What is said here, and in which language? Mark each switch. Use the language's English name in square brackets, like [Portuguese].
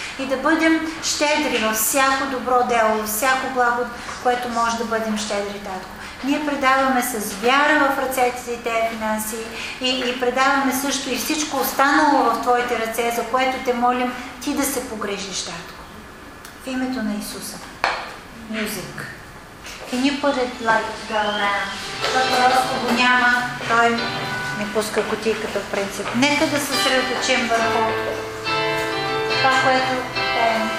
[Bulgarian] И да бъдем щедри във всяко добро дело, във всяко благо, което може да бъдем щедри, татко. Ние предаваме с вяра в ръцете Ти тези финанси и предаваме също и всичко останало в Твоите ръце, за което те молим Ти да се погрижиш, татко. В името на Исуса. Music. [English] Can you put it like to go around? [Bulgarian] Защото го няма, той не пуска кутийката в принцип. Нека да се съсредоточим върху това, което е.